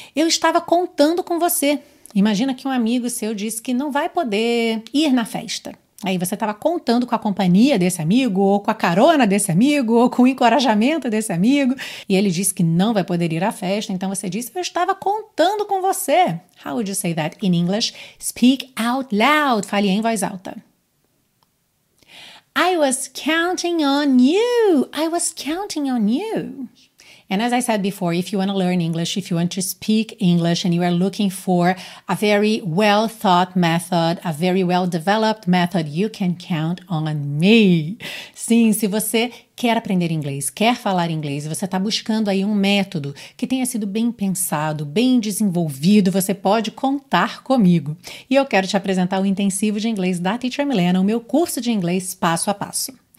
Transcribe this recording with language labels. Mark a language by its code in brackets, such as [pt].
[pt] Eu estava contando com você. Imagina que um amigo seu disse que não vai poder ir na festa. Aí você estava contando com a companhia desse amigo, ou com a carona desse amigo, ou com o encorajamento desse amigo, e ele disse que não vai poder ir à festa, então você disse, eu estava contando com você. [en] How would you say that in English? Speak out loud. [pt] Fale em voz alta. [en] I was counting on you. I was counting on you. And as I said before, if you want to learn English, if you want to speak English and you are looking for a very well-thought method, a very well-developed method, you can count on me. [pt] Sim, se você quer aprender inglês, quer falar inglês, você está buscando aí um método que tenha sido bem pensado, bem desenvolvido, você pode contar comigo. E eu quero te apresentar o intensivo de inglês da Teacher Milena, o meu curso de inglês passo a passo.